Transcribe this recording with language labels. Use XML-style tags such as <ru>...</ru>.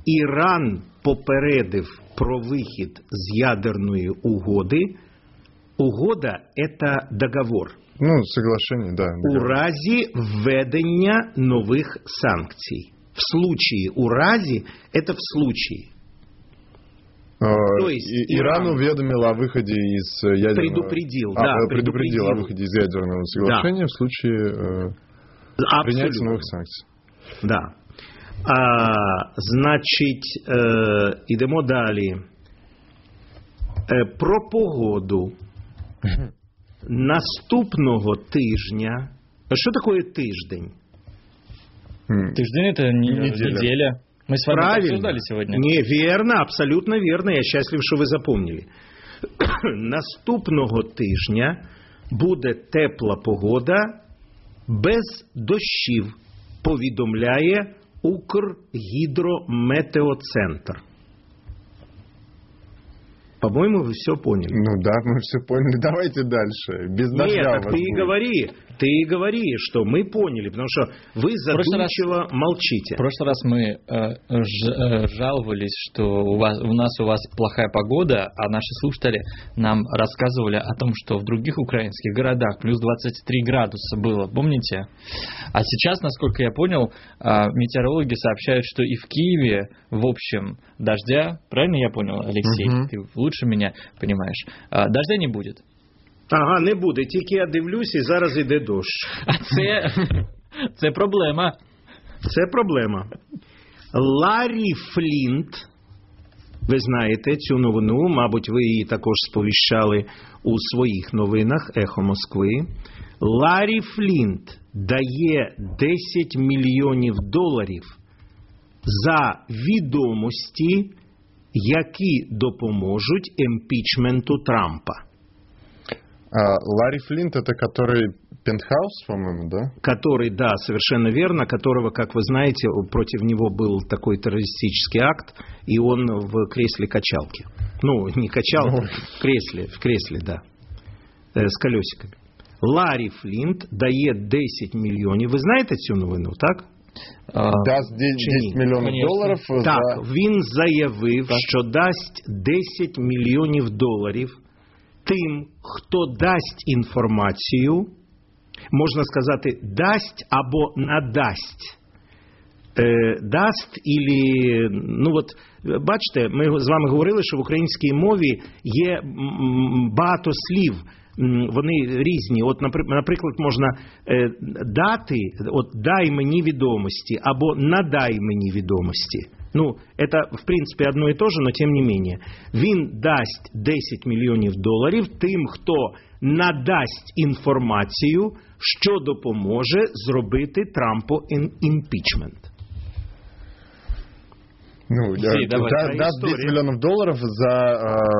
<uk>Іран попередив про вихід з ядерної угоди.</uk> <ru>Угода – это договор. Ну, соглашение, да.</ru> <uk>У разі введення нових санкцій.</uk> <ru>В случае, у разі – это в случае. То есть, Иран уведомил о выходе из ядерного... Предупредил, да. Предупредил о выходе из ядерного соглашения, да, в случае принятия новых санкций. Да. А, значит,</ru> <uk>идемо далі. Про погоду. Наступного тижня...</uk> <ru>Что такое тиждень? Тиждень – это неделя. Мы с вами обсуждали сегодня. Неверно, абсолютно верно. Я счастлив, что вы запомнили.</ru> <uk>Наступного тижня буде тепла погода без дощів, повідомляє Укргідрометеоцентр.</uk> <ru>По-моему, вы все поняли. Ну да, мы все поняли. Давайте дальше. Без дождя. Нет, так ты и говори. Ты и говори, что мы поняли, потому что вы задумчиво молчите. В прошлый раз мы жаловались, что у вас плохая погода, а наши слушатели нам рассказывали о том, что в других украинских городах плюс 23 градуса было, помните? А сейчас, насколько я понял, метеорологи сообщают, что и в Киеве, в общем, дождя, правильно я понял, Алексей, ты лучше меня понимаешь, дождя не будет.</ru> <uk>Ага, не буде. Тільки я дивлюсь, і зараз іде дощ. А це проблема. Це проблема. Ларі Флінт, ви знаєте цю новину, мабуть, ви її також сповіщали у своїх новинах «Ехо Москви». Ларі Флінт дає 10 мільйонів доларів за відомості, які допоможуть імпічменту Трампа.</uk> <ru>Ларри Флинт, это который Пентхаус, по-моему, да? Который, да, совершенно верно, которого, как вы знаете, против него был такой террористический акт, и он в кресле качалки. Ну, не качал, в кресле, да, с колесиками. Ларри Флинт дает 10 миллионов, вы знаете эту новину, так?</ru> <uk>Даст 10 мільйонів доларів. Так, він заявив, так, що дасть 10 мільйонів доларів тим, хто дасть інформацію, можна сказати, дасть або надасть. Дасть ілі, ну от, бачите, ми з вами говорили, що в українській мові є багато слів, вони різні. От, наприклад, можна дати, от дай мені відомості, або надай мені відомості.</uk> <ru>Ну, это, в принципе, одно и то же, но тем не менее.</ru> <uk>Він дасть 10 мільйонів доларів тим, хто надасть інформацію, що допоможе зробити Трампу імпічмент. Ну, дасть 10 мільйонів доларів за...</uk>